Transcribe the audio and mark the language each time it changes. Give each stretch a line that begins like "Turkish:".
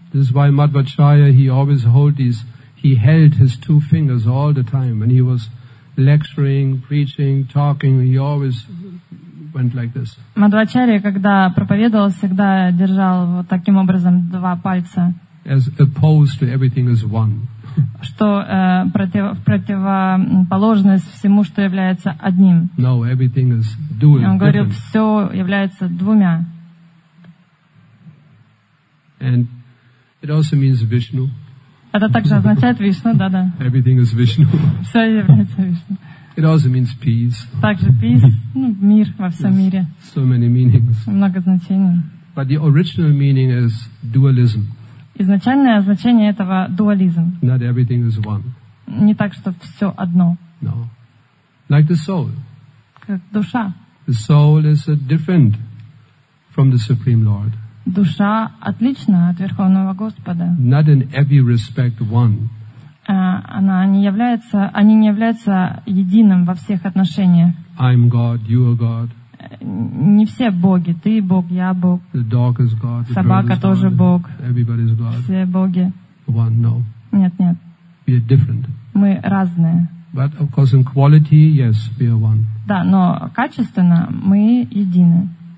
English: This is why Madhvacharya, he always held his two fingers all the time when he was lecturing, preaching, talking, he always went like this.
Russian: Мадхвачарья, когда проповедовал, всегда держал вот таким образом два пальца.
English: As opposed to everything is one.
Russian: Что противоположность всему, что является одним.
English: No, everything is dual.
Russian: Он говорил, все является двумя.
English: And it also means Vishnu.
Russian: Это также означает Вишну, да-да.
English: Everything is Vishnu.
Russian: Все является Вишну.
English: It also means peace.
Russian: Также peace, ну, мир во всем мире.
English: So many meanings.
Russian: Много значений.
English: But the original meaning is dualism.
Russian: Изначальное значение этого – дуализм.
English: Not everything is one.
Russian: Не так, что все одно.
English: No. Like the soul.
Russian: Как душа.
English: The soul is different from the Supreme Lord.
Russian: Душа отлична от Верховного Господа.
English: Not in every respect one.
Russian: Они не являются единым во всех отношениях.
English: I'm God, you are God.
Russian: Не все боги. Ты Бог, я Бог.
English: The dog is God.
Russian: Собака тоже Бог.
English: Everybody is God.
Russian: Все боги.
English: One, no.
Russian: Нет, нет.
English: We are different.
Russian: Мы разные.
English: But of course in quality, yes, we are one.
Russian: Да, но качественно мы едины.